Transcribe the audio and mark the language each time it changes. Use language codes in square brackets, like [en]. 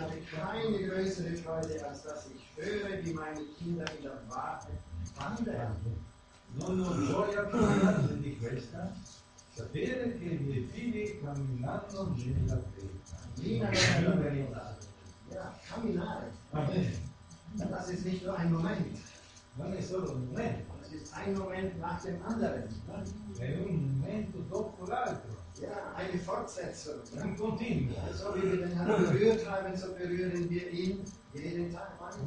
[de] habe keine größere Freude, als dass ich höre, wie meine Kinder in der Wahrheit wandern. [it] Non ho gioia più grande di questa, sapere che i miei figli camminano nella verità. Camminare. [de] Das ist nicht nur ein Moment. [it] Non è solo un momento. [de] Das ist ein Moment nach dem anderen. [it] È un momento dopo l'altro. [de] Ja, eine Fortsetzung. Ein Continuum. Ja, so wie wir den Herrn berührt haben, so berühren wir ihn jeden Tag